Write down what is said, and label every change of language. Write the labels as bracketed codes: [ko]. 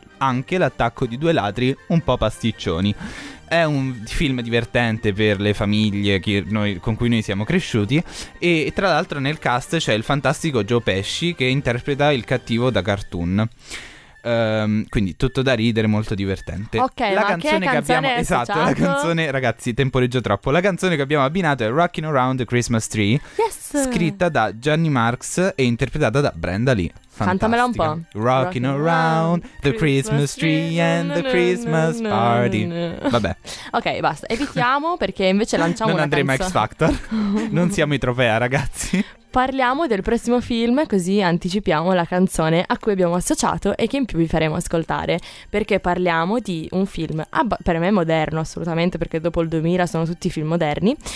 [it] anche L'attacco di due ladri un po' pasticcioni. È un film divertente per le famiglie che noi, con cui noi siamo cresciuti, e tra l'altro nel cast c'è il fantastico Joe Pesci che interpreta il cattivo da cartoon. Quindi tutto da ridere, molto divertente. Ok, la canzone che abbiamo canzone esatto, la canzone, ragazzi, temporeggio troppo. La canzone che abbiamo abbinato è Rockin' Around the Christmas Tree. [en] Yes. [it] Scritta da Johnny Marx e interpretata da Brenda Lee. Cantamela un po'. [en] Rockin' around the Christmas tree and the Christmas party. [it] Vabbè. Ok, basta. Evitiamo perché invece lanciamo non una canzone. Non andremo X Factor. Non siamo i Tropea, ragazzi. Parliamo del prossimo film, così anticipiamo la canzone a cui abbiamo associato e che in più vi faremo ascoltare, perché parliamo di un film per me moderno assolutamente, perché dopo il 2000 sono tutti film moderni.